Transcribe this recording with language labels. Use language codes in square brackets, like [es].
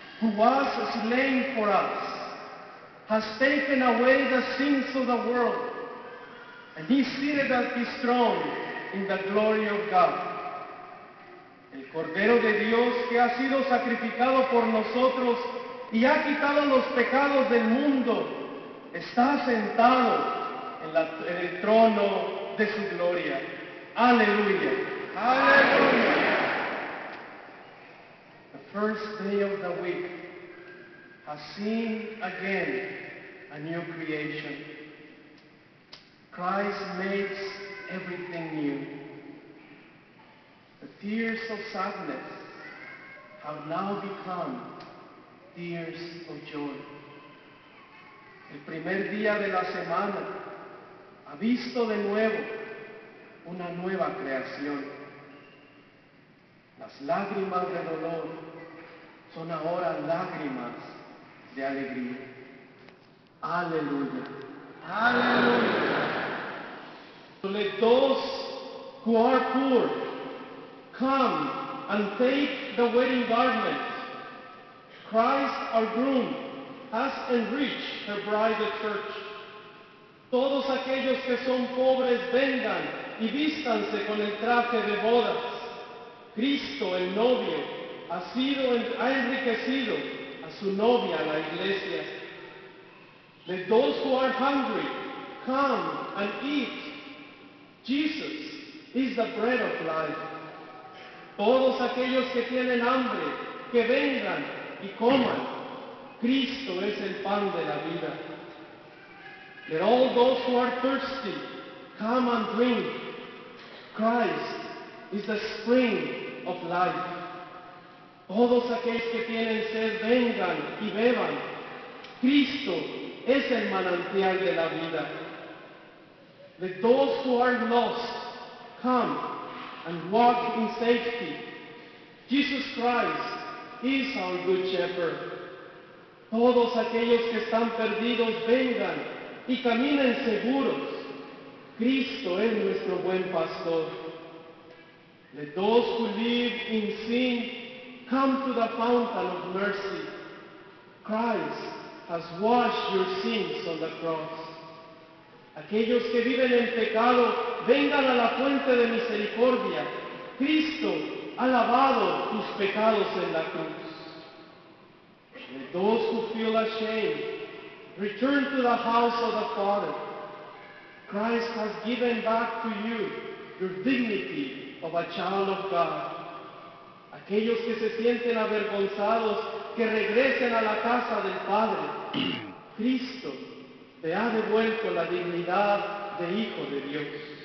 [en] who was slain for us, has taken away the sins of the world, and he seated at his throne in the glory of God. [es] El Cordero de Dios que ha sido sacrificado por nosotros y ha quitado los pecados del mundo, está sentado en el trono de su gloria. Aleluya. Aleluya. [en] The first day of the week has seen again a new creation. Christ makes everything new. The tears of sadness have now become tears of joy. [es] El primer día de la semana ha visto de nuevo una nueva creación. Las lágrimas de dolor son ahora lágrimas de alegría. Aleluya. Aleluya. [en] So let those who are poor come and take the wedding garment. Christ, our groom, has enriched the bride, the church. [es] Todos aquellos que son pobres vengan y vístanse con el traje de bodas. Cristo, el novio, ha enriquecido a su novia, la iglesia. [en] Let those who are hungry come and eat. Jesus is the bread of life. [es] Todos aquellos que tienen hambre, que vengan y coman. Cristo es el pan de la vida. [en] Let all those who are thirsty come and drink. Christ is the spring of life. [es] Todos aquellos que tienen sed, vengan y beban. Cristo es el manantial de la vida. [en] Let those who are lost come and walk in safety. Jesus Christ is our good shepherd. [es] Todos aquellos que están perdidos vengan y caminen seguros. Cristo es nuestro buen pastor. [en] Let those who live in sin come to the fountain of mercy. Christ has washed your sins on the cross. [es] Aquellos que viven en pecado, vengan a la fuente de misericordia. Cristo ha lavado tus pecados en la cruz. [en] Let those who feel ashamed return to the house of the Father. Christ has given back to you your dignity of a child of God. [es] Aquellos que se sienten avergonzados, que regresen a la casa del Padre. Cristo te ha devuelto la dignidad de Hijo de Dios.